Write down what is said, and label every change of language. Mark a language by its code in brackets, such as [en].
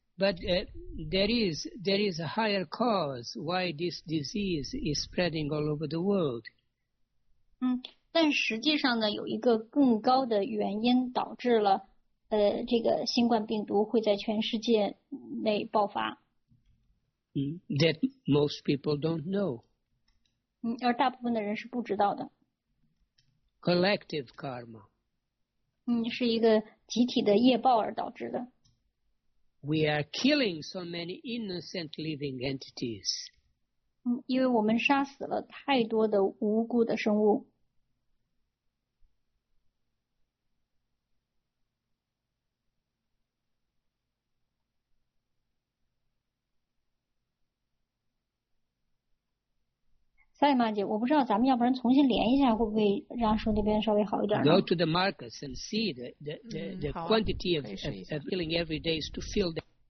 [en] But there is a higher cause why this disease is spreading all over the world. [zh] 但实际上呢，有一个更高的原因导致了这个新冠病毒会在全世界内爆发。 [en] That most people don't know. [zh] 而大部分的人是不知道的。 [en] Collective karma. [zh] 是一个集体的业报而导致的。 [en] We are killing so many innocent living entities. [zh] 因为我们杀死了太多的无辜的生物。赛玛姐，我不知道咱们要不然重新连一下，会不会让叔那边稍微好一点呢 [en] ？Go to the markets and see the quantity of killing every day is to fill the.